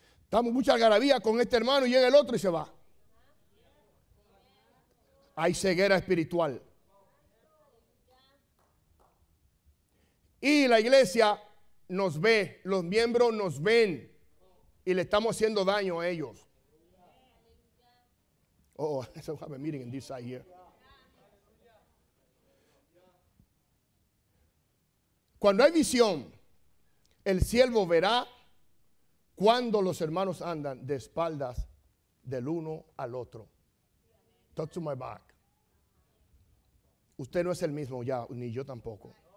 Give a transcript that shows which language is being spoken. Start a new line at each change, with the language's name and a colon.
Spanish: Damos mucha algarabía con este hermano y llega el otro y se va. Hay ceguera espiritual. Y la iglesia nos ve, los miembros nos ven y le estamos haciendo daño a ellos.
English: Oh, so we have a meeting in this side here.
Spanish: Cuando hay visión, el siervo verá cuando los hermanos andan de espaldas del uno al otro.
English: Talk to my back.
Spanish: Usted no es el mismo ya, ni yo tampoco.